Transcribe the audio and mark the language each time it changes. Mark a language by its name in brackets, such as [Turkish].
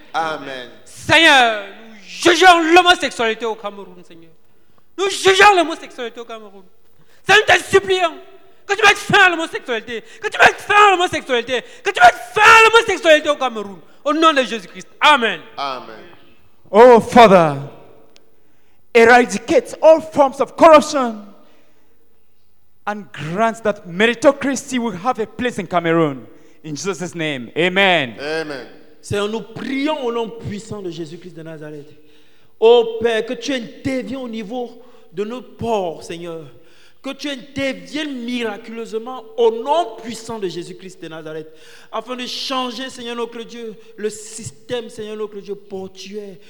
[French] Amen. Seigneur, nous jugeons l'homosexualité au Cameroun, Seigneur. Nous jugeons l'homosexualité au Cameroun. Seigneur, nous te supplions que tu mettes fin à l'homosexualité. Que tu mettes fin à l'homosexualité. Que tu mettes fin à l'homosexualité au Cameroun. Au nom de Jésus-Christ. Amen. Amen. [English] Oh, Father, eradicate all forms of corruption and grant that meritocracy will have a place in Cameroon. In Jesus' name. Amen. Amen. [French] Seigneur, nous prions au nom puissant de Jésus-Christ de Nazareth. Oh Père, que tu interviennes au niveau de nos ports, Seigneur. Que tu interviennes miraculeusement au nom puissant de Jésus-Christ de Nazareth. Afin de changer, Seigneur notre Dieu, le système, Seigneur notre Dieu, portuaire.